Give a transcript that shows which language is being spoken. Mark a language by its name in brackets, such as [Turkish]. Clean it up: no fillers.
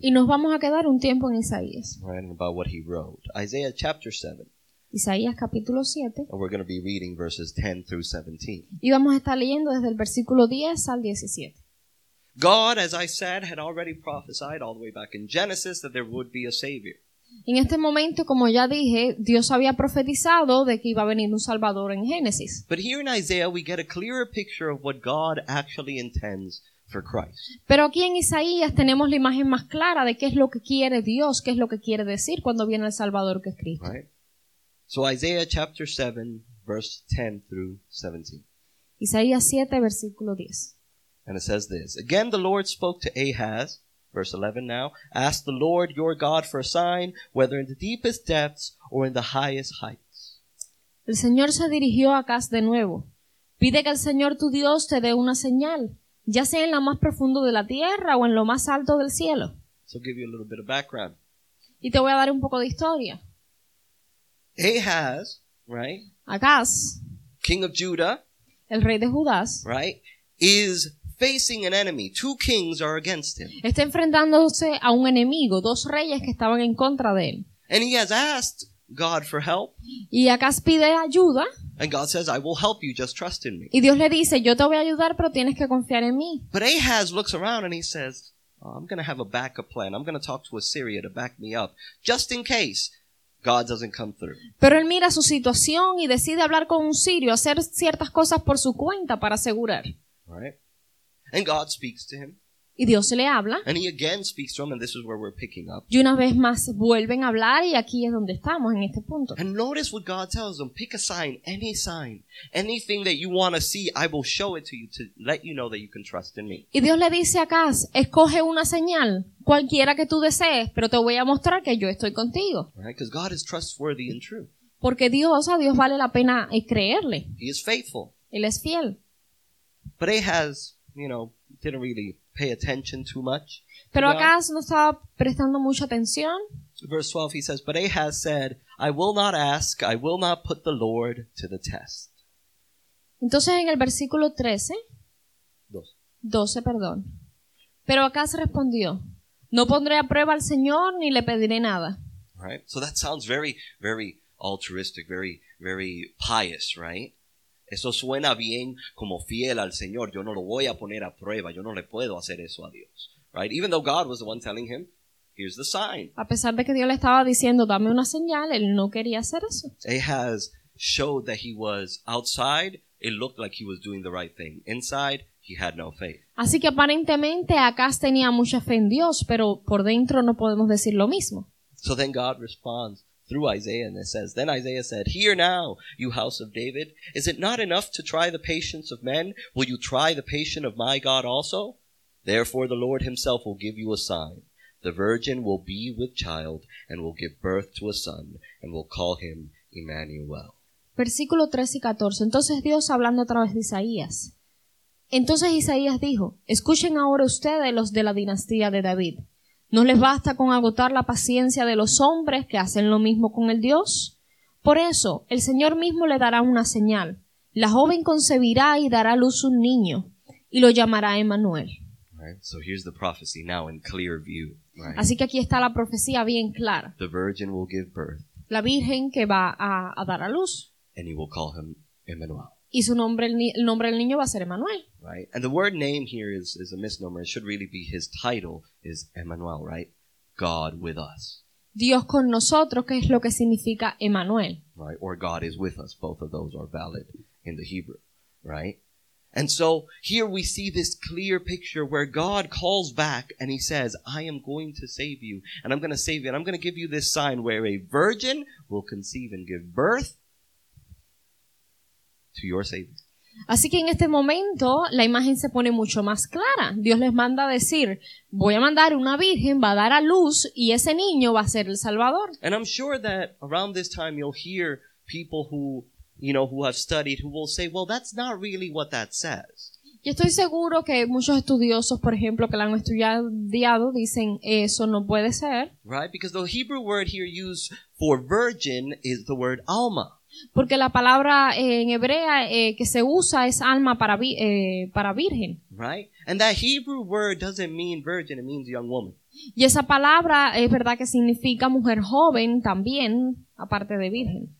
[Spanish] Y nos vamos a quedar un tiempo en Isaías. [English] Right, and about what he wrote. Isaiah chapter 7. [Spanish] Isaías capítulo 7. [English] And we're going to be reading verses 10 through 17. [Spanish] Y vamos a estar leyendo desde el versículo 10 al 17. [English] God, as I said, had already prophesied all the way back in Genesis that there would be a Savior. [Spanish] En este momento, como ya dije, Dios había profetizado de que iba a venir un Salvador en Génesis. [English] But here in Isaiah, we get a clearer picture of what God actually intends for Christ. [Spanish] Pero aquí en Isaías tenemos la imagen más clara de qué es lo que quiere Dios, qué es lo que quiere decir cuando viene el Salvador que es Cristo. [English] Right? So Isaiah chapter 7, verse 10 through 17. [Spanish] Isaías 7, versículo 10. [English] And it says this, again the Lord spoke to Ahaz. Verse 11 now, ask the Lord your God for a sign, whether in the deepest depths or in the highest heights. [Spanish] El Señor se dirigió a Acaz de nuevo. Pide que el Señor tu Dios te dé una señal, ya sea en lo más profundo de la tierra o en lo más alto del cielo. [English] So give you a little bit of background. [Spanish] Y te voy a dar un poco de historia. [English] Ahaz, right? [Spanish] Acaz. [English] King of Judah. [Spanish] El rey de Judás. [English] Right? Is facing an enemy. Two kings are against him. [Spanish] Está enfrentándose a un enemigo, dos reyes que estaban en contra de él. [English] And he has asked God for help. [Spanish] Y Acaz pide ayuda. [English] And God says, I will help you, just trust in me. [Spanish] Y Dios le dice, yo te voy a ayudar, pero tienes que confiar en mí. [English] But Ahaz looks around and he says, oh, I'm going to have a backup plan. I'm going to talk to Assyria to back me up, just in case. God doesn't come through. [Spanish] Pero él mira su situación y decide hablar con un sirio, hacer ciertas cosas por su cuenta para asegurar. [English] Right. And God speaks to him. [Spanish] Y Dios le habla. [English] And he again speaks to him, and this is where we're picking up. [Spanish] Y una vez más vuelven a hablar y aquí es donde estamos en este punto. [English] And notice what God tells them: pick a sign, anything that you want to see, I will show it to you to let you know that you can trust in me. [Spanish] Y Dios le dice a Acaz: escoge una señal, cualquiera que tú desees, pero te voy a mostrar que yo estoy contigo. [English] Right? Because God is trustworthy and true. [Spanish] Porque Dios, a Dios vale la pena creerle. [English] He is faithful. [Spanish] Él es fiel. [English] But Ahaz, you know, didn't really pay attention too much. [Spanish] Pero Acaz no estaba prestando mucha atención. [English] Verse 12, he says, but Ahaz said, I will not ask, I will not put the Lord to the test. [Spanish] Entonces en el versículo 12, perdón. Pero Acaz respondió, no pondré a prueba al Señor ni le pediré nada. [English] Right? So that sounds very, very altruistic, very, very pious, right? [Spanish] Eso suena bien como fiel al Señor. Yo no lo voy a poner a prueba. Yo no le puedo hacer eso a Dios. [English] Right? Even though God was the one telling him, here's the sign. [Spanish] A pesar de que Dios le estaba diciendo, dame una señal, él no quería hacer eso. [English] Ahaz showed that he was outside. It looked like he was doing the right thing. Inside, he had no faith. [Spanish] Así que aparentemente Acaz tenía mucha fe en Dios, pero por dentro no podemos decir lo mismo. [English] So then God responds through Isaiah, and it says, then Isaiah said, hear now, you house of David, is it not enough to try the patience of men? Will you try the patience of my God also? Therefore the Lord himself will give you a sign. The virgin will be with child and will give birth to a son and will call him Emmanuel. [Spanish] Versículo 13 y 14. Entonces Dios hablando a través de Isaías. Entonces Isaías dijo, escuchen ahora ustedes los de la dinastía de David. ¿No les basta con agotar la paciencia de los hombres que hacen lo mismo con el Dios? Por eso, el Señor mismo le dará una señal. La joven concebirá y dará a luz un niño, y lo llamará Emmanuel. [English] Right. So here's the prophecy now in clear view, right? [Spanish] Así que aquí está la profecía bien clara. [English] The virgin will give birth. [Spanish] La virgen que va a dar a luz. [English] And he will call him Emmanuel. [Spanish] Y su nombre, el nombre del niño va a ser Emmanuel. [English] Right. And the word name here is a misnomer. It should really be his title is Emmanuel, right? God with us. [Spanish] Dios con nosotros, que es lo que significa Emmanuel. [English] Right. Or God is with us. Both of those are valid in the Hebrew, right? And so here we see this clear picture where God calls back and he says, I am going to save you and I'm going to save you and I'm going to give you this sign where a virgin will conceive and give birth to your Savior. [Spanish] Así que en este momento la imagen se pone mucho más clara. Dios les manda a decir, voy a mandar una virgen, va a dar a luz y ese niño va a ser el Salvador. [English] And I'm sure that around this time you'll hear people who, you know, who have studied who will say, well, that's not really what that says. [Spanish] Y estoy seguro que muchos estudiosos, por ejemplo, que la han estudiado, dicen, eso no puede ser. [English] Right, because the Hebrew word here used for virgin is the word alma. [Spanish] Porque la palabra en hebrea que se usa es alma para para virgen. [English] Right? And that Hebrew word doesn't mean virgin, it means young woman. [Spanish] Y esa palabra es verdad que significa mujer joven también, aparte de virgen.